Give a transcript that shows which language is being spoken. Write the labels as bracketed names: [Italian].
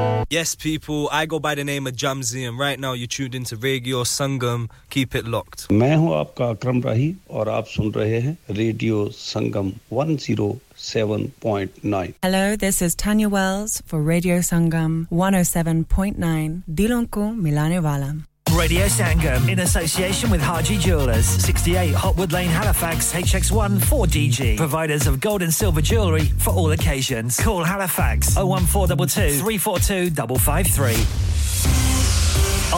[English] Yes, people, I go by the name of Jamzi, and right now you're tuned into Radio Sangam. Keep it locked. [Hindi] मैं हूँ आपका अकरम राही और आप सुन रहे हैं Radio Sangam 107.9. [English] Hello, this is Tanya Wells for Radio Sangam 107.9. [Hindi] Dilon ko milane wala. [English] Radio Sangam, in association with Haji Jewellers. 68 Hotwood Lane, Halifax, HX1 4DG. Providers of gold and silver jewellery for all occasions. Call Halifax 01422 342 553.